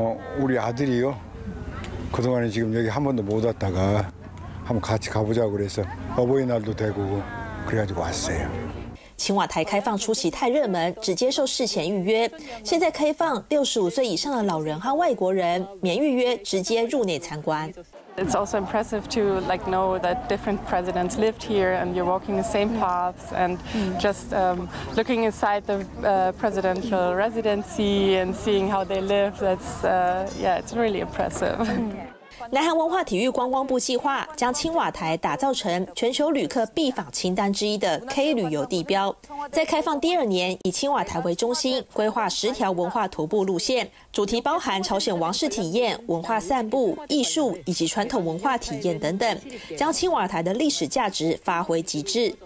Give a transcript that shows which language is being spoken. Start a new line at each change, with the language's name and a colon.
Korean: 어우리아들이요그동안에지금여기한번도못왔다가한번같이가보자고그래서어버이날도되고그래가지고왔어요
Chinese: 青瓦台开放初期太热门，只接受事前预约。现在开放65岁以上的老人和外国人免预约，直接入内参观。
English: It's also impressive to like know that different presidents lived here, and you're walking the same paths, and just looking inside the presidential residency and seeing how they live. That's it's really impressive.
Chinese: 南韩文化体育观光部计划将青瓦台打造成全球旅客必访清单之一的 K 旅游地标。在开放第二年，以青瓦台为中心，规划10条文化徒步路线，主题包含朝鲜王室体验、文化散步、艺术以及传统文化体验等等，将青瓦台的历史价值发挥极致。